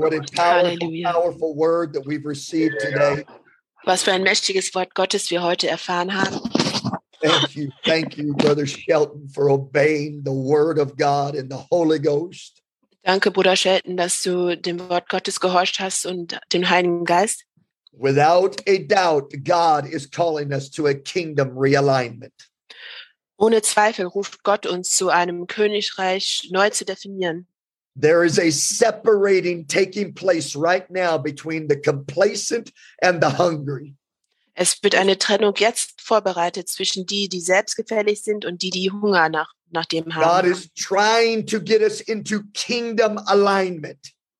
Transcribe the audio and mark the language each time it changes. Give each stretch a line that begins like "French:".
English: What a powerful word that we've received today.
German: Was für ein mächtiges Wort Gottes wir heute erfahren haben.
English: Thank you, Brother Shelton, for obeying the word of God and the Holy Ghost.
German: Danke, Bruder Shelton, dass du dem Wort Gottes gehorcht hast und dem Heiligen Geist.
English: Without a doubt, God is calling us to a kingdom realignment.
German: Ohne Zweifel ruft Gott uns zu einem Königreich neu zu definieren.
English: There is a separating taking place right now between the complacent and the hungry.
German: Es wird eine Trennung jetzt vorbereitet zwischen die, die selbstgefällig sind und die, die Hunger nach dem haben.
English: God is trying to get us into kingdom alignment.